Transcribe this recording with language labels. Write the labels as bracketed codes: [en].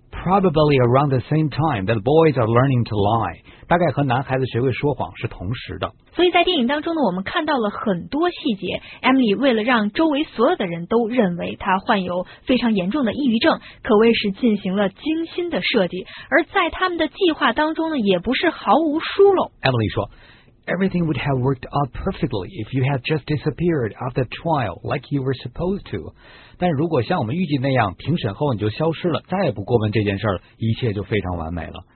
[en] Probably around the same time that boys are learning to lie， [zh] 大概和男孩子学会说谎是同时的。所以在电影当中呢，我们看到了很多细节。Emily 为了让周围所有的人都认为她患有非常严重的抑郁症，可谓是进行了精心的设计。而在他们的计划当中呢，也不是毫无疏漏。 [en] Emily 说 ，Everything would have worked out perfectly if you had just disappeared after trial like you were supposed to。 [zh] 但如果像我们预计那样庭审后你就消失了，再也不过问这件事儿，一切就非常完美了。